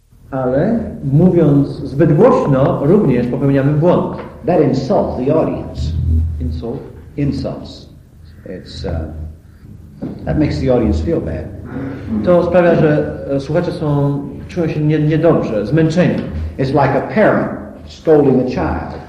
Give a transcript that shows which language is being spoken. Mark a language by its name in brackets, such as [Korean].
[Polish] Ale mówiąc zbyt głośno, również popełniamy błąd. [English] That insults the audience. Insult? Insults. It's that makes the audience feel bad. [Polish] To sprawia, że słuchacze są czują się niedobrze, zmęczeni. [English] It's like a parent scolding a child.